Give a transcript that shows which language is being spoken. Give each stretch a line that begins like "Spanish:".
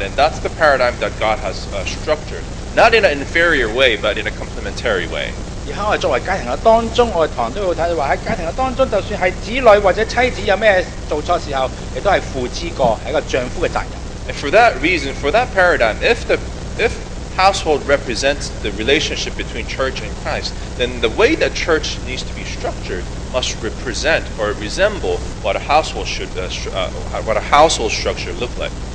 English: And that's the paradigm that God has structured. Not in an inferior way, but in a complementary way.
Chinese: 而在我作为家庭当中，我常常都会看到，在家庭当中，就算是子女或者妻子有什么做错时候，也都是父之过，是一个丈夫的责任。
English: And for that reason, for that paradigm, if household represents the relationship between church and Christ, then the way that church needs to be structured must represent or resemble what a household should what a household structure look like.